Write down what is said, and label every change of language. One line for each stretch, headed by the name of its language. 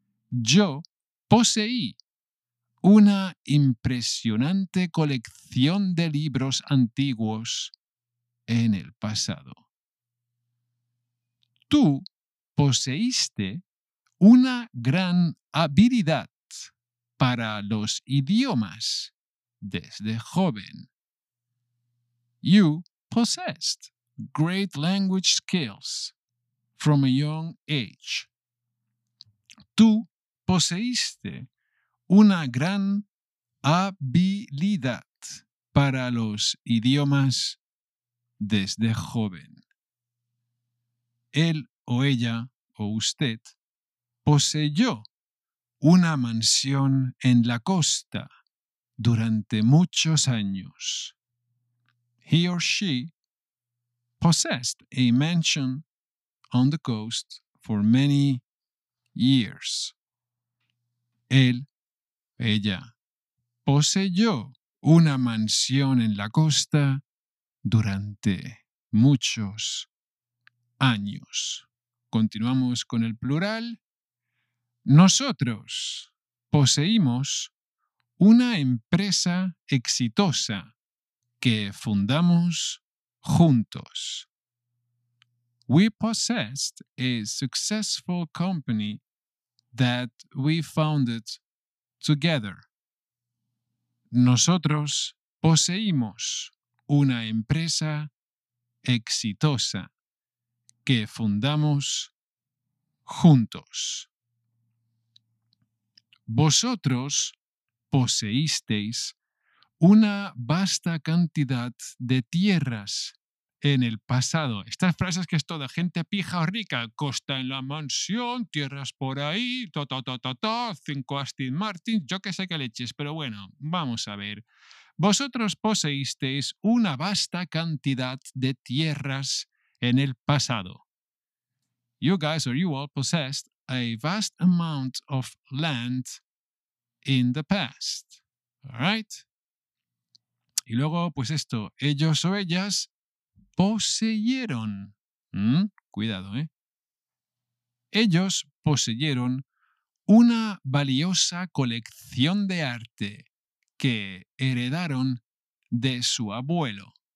Spanish: Yo poseí una impresionante colección de libros antiguos en el pasado. Tú poseíste una gran habilidad para los idiomas desde joven.
English: You possessed great language skills from a young age.
Spanish: Tú poseíste una gran habilidad para los idiomas desde joven. Él o ella o usted poseyó una mansión en la costa durante muchos años.
English: He or she possessed a mansion on the coast for many years.
Spanish: Él, ella, poseyó una mansión en la costa durante muchos años. Continuamos con el plural. Nosotros poseímos una empresa exitosa que fundamos juntos.
English: We possessed a successful company that we founded together.
Spanish: Nosotros poseímos una empresa exitosa que fundamos juntos. Vosotros poseísteis una vasta cantidad de tierras en el pasado. Estas frases que es toda gente pija o rica, costa en la mansión, tierras por ahí, cinco Aston Martin, yo que sé qué leches, pero bueno, vamos a ver. Vosotros poseísteis una vasta cantidad de tierras en el pasado.
English: You guys or you all possessed a vast amount of land in the past. All right?
Spanish: Y luego, pues esto, ellos o ellas poseyeron, cuidado, ellos poseyeron una valiosa colección de arte que heredaron de su abuelo.